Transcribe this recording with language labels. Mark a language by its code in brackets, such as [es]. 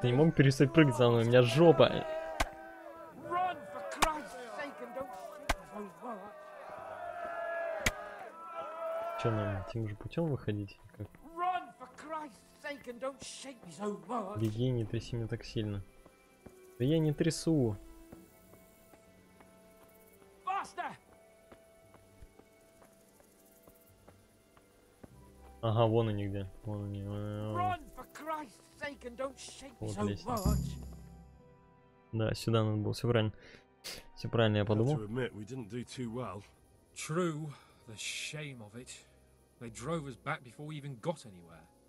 [ru] Ты не мог перестать прыгать за мной, у меня жопа. [en] Run for Christ's sake and don't shoot. [ru] Что нам тем же путем выходить? Как? [en] Run, for Christ's sake, and don't shake me so much. [ru] Беги, не тряси меня так сильно. Да я не трясу. [en] Faster! [ru] Ага, вон они где. Вон они. [en] Run, for Christ's sake, and don't shake me so much. [ru] Да, сюда надо было. Все правильно я подумал. [en] I have to admit, we didn't do too well. True, the shame of it. They drove us back before we even got anywhere.